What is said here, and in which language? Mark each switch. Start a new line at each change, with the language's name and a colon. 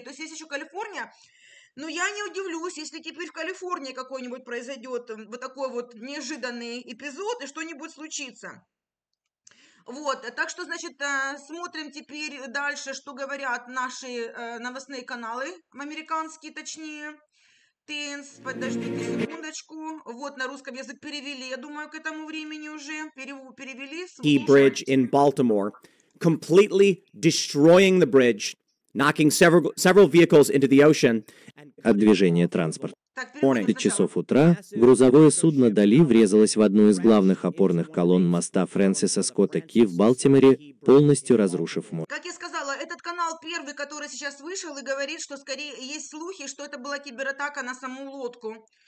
Russian: То есть есть еще Калифорния. Но я не удивлюсь, если теперь в Калифорнии какой-нибудь произойдет вот такой вот неожиданный эпизод, и что-нибудь случится. Вот, так что, значит, смотрим теперь дальше, что говорят наши новостные каналы, американские точнее. Тенс, подождите секундочку. Вот, на русском язык перевели, я думаю, к этому времени уже. Перевели.
English: Key bridge in Baltimore, completely destroying the bridge, knocking several vehicles into the ocean.
Russian: От движения транспорта. В 5 часов утра грузовое судно «Дали» врезалось в одну из главных опорных колонн моста Фрэнсиса Скотта Ки в Балтиморе, полностью разрушив мост. Как я сказала, этот канал первый, который сейчас вышел, и говорит, что скорее есть слухи, что это была кибератака на саму лодку.